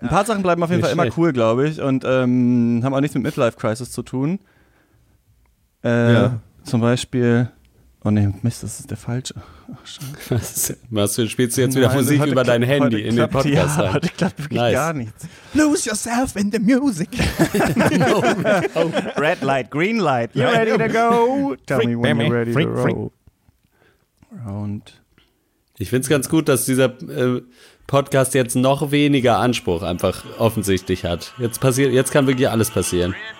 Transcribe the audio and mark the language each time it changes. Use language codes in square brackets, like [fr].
[de] Ein paar Sachen bleiben auf jeden Fall immer cool, glaube ich, und haben auch nichts mit Midlife-Crisis zu tun. Zum Beispiel, oh nee, Mist, das ist der falsche. Spielst du jetzt wieder Musik über dein Handy in den Podcast rein? Ja, heute klappt wirklich gar nichts. [en] Lose yourself in the music. Red light, green light. You ready to go? Tell me when you're ready to roll. Round. [de] Ich finde es ganz gut, dass dieser Podcast jetzt noch weniger Anspruch einfach offensichtlich hat. Jetzt kann wirklich alles passieren.